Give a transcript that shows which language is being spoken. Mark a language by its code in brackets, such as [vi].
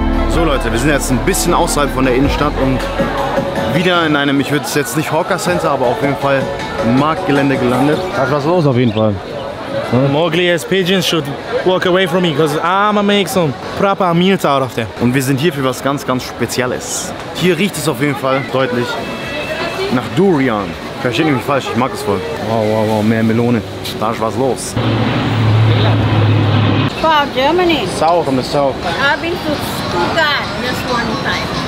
[de] So Leute, wir sind jetzt ein bisschen außerhalb von der Innenstadt und wieder in einem, ich würde es jetzt nicht Hawker Center, aber auf jeden Fall Marktgelände gelandet. Da ist was los auf jeden Fall. Hm? [en] Mowgli as pigeons should walk away from me, because I'ma make some proper meals out of there. [de] Und wir sind hier für was ganz, ganz Spezielles. Hier riecht es auf jeden Fall deutlich nach Durian. Versteht mich falsch, ich mag es voll. Wow, wow, wow, mehr Melone. Da ist was los. [en] For Germany. South, from the south. I've been to Stuttgart just one time.